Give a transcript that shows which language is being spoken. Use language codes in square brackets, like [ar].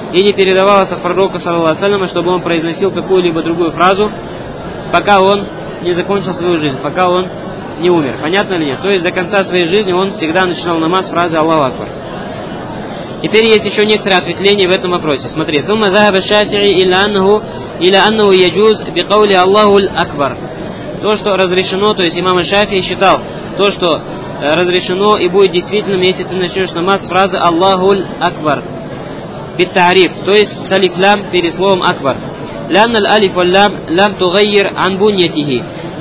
[ru] И не передавалось от пророка, саллаллаху алейхи ва саллям, чтобы он произносил какую-либо другую фразу, пока он не закончил свою жизнь, пока он не умер. Понятно ли нет? То есть до конца своей жизни он всегда начинал намаз фразой «Аллаху Акбар». Теперь есть еще некоторые ответвления в этом вопросе. Смотри, [ar] ثُمَّ ذَهَبَ الشَّافِعِ إِلَى أَنَّهُ يَجُوز بِقَوْلِ اللَّهُ الْأَكْبَرِ. [ru] То, что разрешено, то есть имам Шафии считал, то, что разрешено и будет действительным, если ты начнешь намаз с фразы «Аллаху Акбар». [ar] بِالتَّعْرِيف, [ru] то есть с алиф-лям перед словом «Акбар». [ar] لَنَّ الْأَلِفُ وَاللَّمْ لَمْ تُغَيِّرْ عَنْ بُنْيَتِهِ.